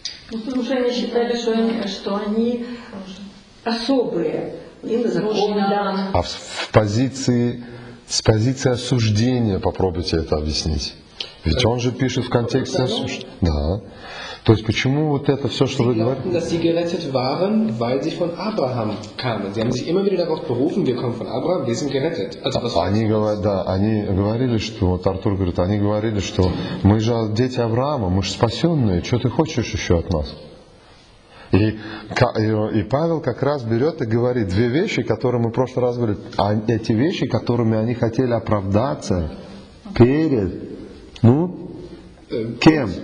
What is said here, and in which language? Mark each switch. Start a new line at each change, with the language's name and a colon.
Russian: Ну, потому что они считали, что они особые, им закон дан. А с позиции осуждения попробуйте это объяснить. Ведь он же пишет в контексте осуждения. Да. То есть почему вот это все, что
German: sie
Russian: вы говорите?
German: Dass sie gerettet waren, weil sie von Abraham kamen. Sie haben sich immer wieder darauf berufen, wir kommen von Abraham, wir sind gerettet.
Russian: Also, они говорили, что, вот Артур говорит, они говорили, что мы же дети Авраама, мы же спасенные, что ты хочешь еще от нас? И Павел как раз берет и говорит две вещи, которые мы в прошлый раз говорили, а эти вещи, которыми они хотели оправдаться перед, ну, кем?